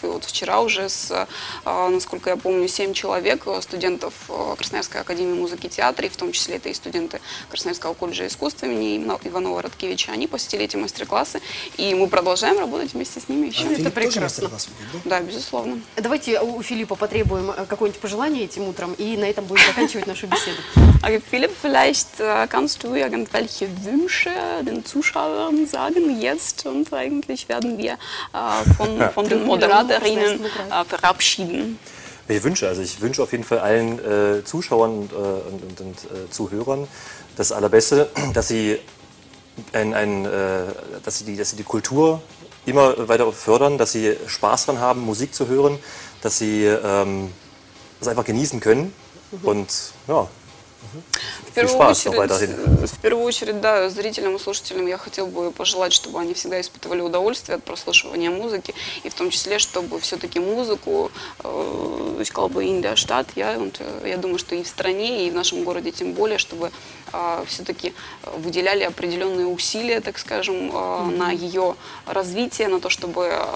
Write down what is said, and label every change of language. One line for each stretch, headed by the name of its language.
Russian: И вот вчера уже с, насколько я помню, 7 человек, студентов Красноярской академии музыки и театра, и в том числе это и студенты Красноярского колледжа искусств имени Иванова Радкевича, они посетили эти мастер-классы, и мы продолжаем работать вместе с ними еще. А это прекрасно. Тоже мастер-класс, да? Да, безусловно. Давайте у Филиппа потребуем какое-нибудь пожелание этим утром, и на этом будем заканчивать нашу беседу.
German: Филипп, vielleicht kannst du irgendwelche Wünsche den Zuschauern sagen jetzt und eigentlich werden wir von den Moderatorinnen verabschieden. Welche Wünsche? Also ich wünsche auf jeden Fall allen Zuschauern und Zuhörern das Allerbeste, dass sie die Kultur immer weiter fördern, dass sie Spaß dran haben, Musik zu hören, dass sie das einfach genießen können. Und ja.
Russian: В первую очередь, да, зрителям и слушателям я хотел бы пожелать, чтобы они всегда испытывали удовольствие от прослушивания музыки, и в том числе, чтобы все-таки музыку, сказал бы Индиаштат, я думаю, что и в стране, и в нашем городе тем более, чтобы все-таки выделяли определенные усилия, так скажем, на ее развитие, на то, чтобы...